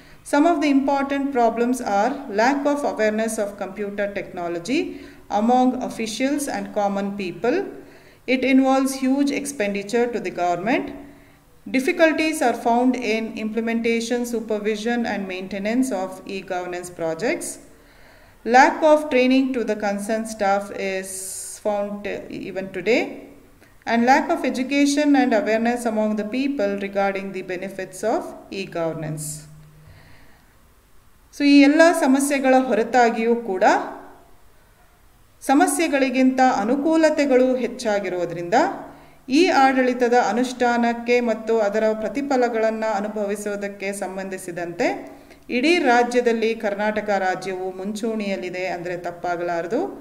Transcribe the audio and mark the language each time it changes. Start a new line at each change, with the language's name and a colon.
English: Some of the important problems are lack of awareness of computer technology among officials and common people. It involves huge expenditure to the government. Difficulties are found in implementation, supervision and maintenance of e governance projects. Lack of training to the concerned staff is found even today, and lack of education and awareness among the people regarding the benefits of e-governance.
Kannada: So, ಈ ಎಲ್ಲ ಸಮಸ್ಯೆಗಳ ಹೊರತಾಗಿಯೂ ಕೂಡ ಸಮಸ್ಯೆಗಳಿಗಿಂತ ಅನುಕೂಲತೆಗಳು ಹೆಚ್ಚಾಗಿರುವುದರಿಂದ ಈ ಆಡಳಿತದ ಅನುಷ್ಠಾನಕ್ಕೆ ಮತ್ತು ಅದರ ಪ್ರತಿಫಲಗಳನ್ನು ಅನುಭವಿಸುವುದಕ್ಕೆ ಸಂಬಂಧಿಸಿದಂತೆ ಇಡೀ ರಾಜ್ಯದಲ್ಲಿ ಕರ್ನಾಟಕ ರಾಜ್ಯವು ಮುಂಚೂಣಿಯಲ್ಲಿದೆ ಅಂದರೆ ತಪ್ಪಾಗಲಾರದು.